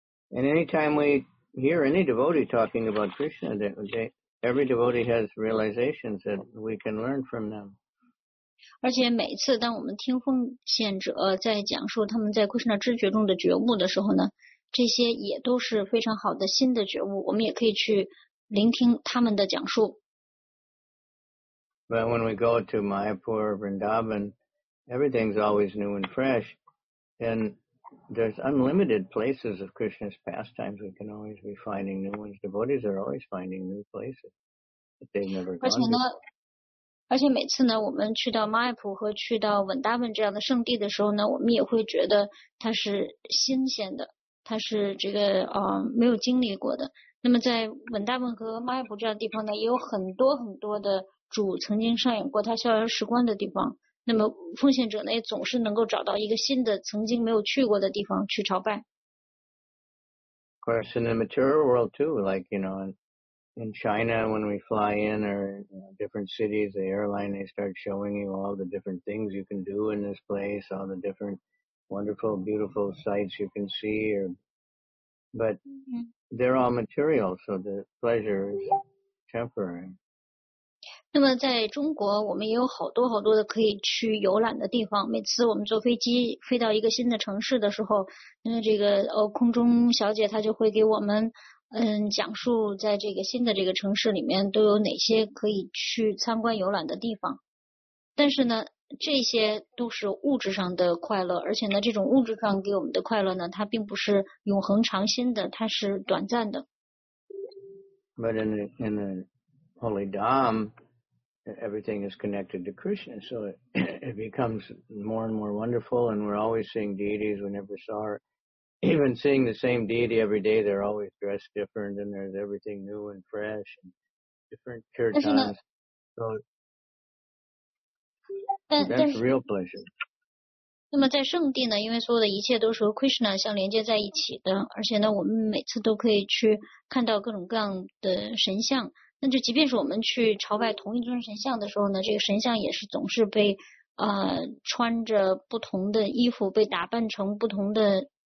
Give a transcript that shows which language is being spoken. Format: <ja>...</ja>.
<en>And any time we hear any devotee talking about Krishna, every devotee has realizations that we can learn from them.</en> <zh>而且每次当我们听奉献者在讲述他们在库什纳知觉中的觉悟的时候呢，这些也都是非常好的新的觉悟，我们也可以去聆听他们的讲述。</zh> <en>But when we go to Mayapur, Vrindavan, everything's always new and fresh. And there's unlimited places of Krishna's pastimes. We can always be finding new ones. Devotees are always finding new places that they've never gone to.</en> <zh>而且每次呢，我们去到 Mayapur 和去到 Vrindavan 这样的圣地的时候呢，我们也会觉得它是新鲜的，它是这个没有经历过的。那么在 Vrindavan 和 Mayapur 这样的地方呢，也有很多很多的主曾经上演过他逍遥时光的地方。那么奉献者呢，也总是能够找到一个新的曾经没有去过的地方去朝拜。</zh> <en>Of course, in the material world too, like, you know,In China, when we fly in or different cities, the airline, they start showing you all the different things you can do in this place, all the different wonderful, beautiful sights you can see. But they're all material, so the pleasure is temporary.</en> <zh>那么在中国，我们也有好多好多的可以去游览的地方。每次我们坐飞机飞到一个新的城市的时候，那这个空中小姐她就会给我们讲述在这个新的这个城市里面都有哪些可以去参观游览的地方。但是呢，这些都是物质上的快乐，而且呢，这种物质上给我们的快乐呢，它并不是永恒长新的，它是短暂的。</zh> <en>But in the Holy Dham, everything is connected to Krishna, so it becomes more and more wonderful, and we're always seeing deities we never saw. Even seeing the same deity every day, they're always dressed different, and there's everything new and fresh, and different kirtans. So, that's real pleasure.</en> <zh>那么在圣地呢，因为所有的一切都是和 Krishna 相连接在一起的，而且呢，我们每次都可以去看到各种各样的神像。那就即便是我们去朝拜同一尊神像的时候呢，这个神像也是总是被穿着不同的衣服，被打扮成不同的。</zh>